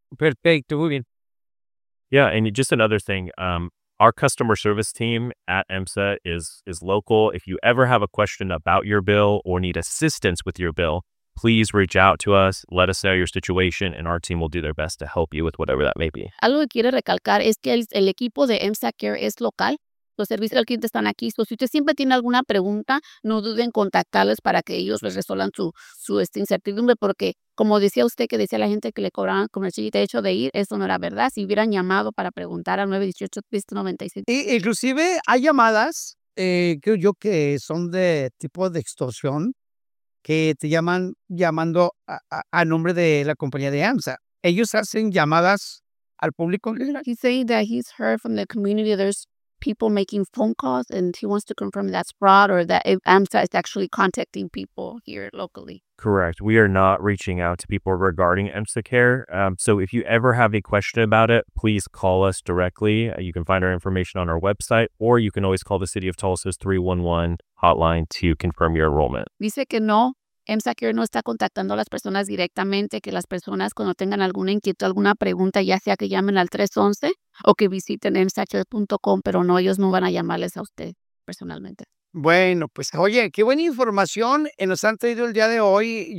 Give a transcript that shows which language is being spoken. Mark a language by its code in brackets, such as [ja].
[es] Perfecto, muy bien. [en] Yeah, and just another thing, our customer service team at EMSA is local. If you ever have a question about your bill or need assistance with your bill, please reach out to us. Let us know your situation and our team will do their best to help you with whatever that may be. [es] Algo que quiero recalcar es que el equipo de EMSA Care es local. Los servicios al cliente están aquí. So, si usted siempre tiene alguna pregunta, no duden en contactarles para que ellos les resuelvan su incertidumbre. Porque, como decía usted, que decía la gente que le cobraban con el chiquito hecho de ir, eso no era verdad. Si hubieran llamado para preguntar al 918-396. Inclusive, hay llamadas, creo yo, que son de tipo de extorsión, que te llaman llamando a nombre de la compañía de EMSA. Ellos hacen llamadas al público. [en] He's saying that he's heard from the community there's people making phone calls and he wants to confirm that's fraud or that EMSA is actually contacting people here locally. Correct. We are not reaching out to people regarding EMSA Care. So if you ever have a question about it, please call us directly. You can find our information on our website or you can always call the City of Tulsa's 311 hotline to confirm your enrollment. [es] Dice que no, EMSA Care no está contactando a las personas directamente, que las personas cuando tengan alguna inquietud, alguna pregunta, ya sea que llamen al 311 o que visiten emsacare.com, pero no, ellos no van a llamarles a usted personalmente. Bueno, pues oye, qué buena información nos han traído el día de hoy.